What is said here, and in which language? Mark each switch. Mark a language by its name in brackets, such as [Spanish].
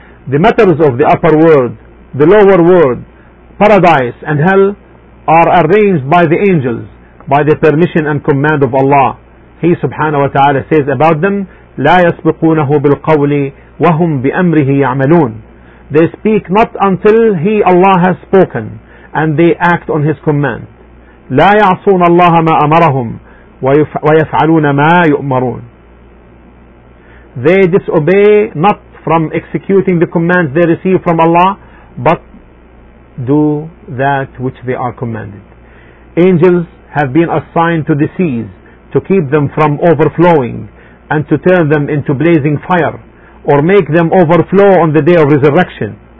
[English] The matters of the upper world, the lower world, paradise and hell are arranged by the angels by the permission and command of Allah. He subhanahu wa ta'ala says about them, [Arabic] لا يسبقونه بالقول وهم بأمره يعملون. [English] They speak not until he, Allah, has spoken and they act on his command. لا يعصون الله ما أمرهم ويفعلون ما يؤمرون. They disobey not from executing the commands they receive from Allah, but do that which they are commanded. Angels have been assigned to the seas to keep them from overflowing and to turn them into blazing fire, or make them overflow on the day of resurrection.